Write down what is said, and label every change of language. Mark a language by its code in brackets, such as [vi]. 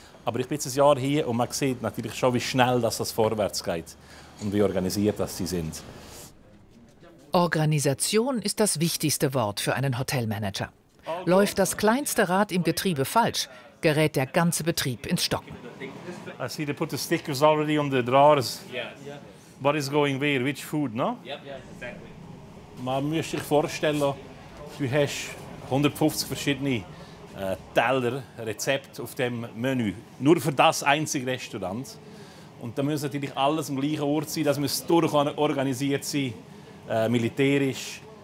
[de] Aber ich bin ein Jahr hier und man sieht natürlich schon, wie schnell das vorwärts geht und wie organisiert das sie sind. Organisation ist das wichtigste Wort für einen Hotelmanager. Läuft das kleinste Rad im Getriebe falsch, gerät der ganze Betrieb ins Stocken. [en] I see they put the stickers already on the drawers. Yes. What is going where? Which food, no? Yep, yes, exactly. [de] Man muss sich vorstellen, du hast 150 verschiedene Teller, Rezepte auf dem Menü. Nur für das einzige Restaurant. Und da muss natürlich alles am gleichen Ort sein. Das muss durchorganisiert sein, militärisch.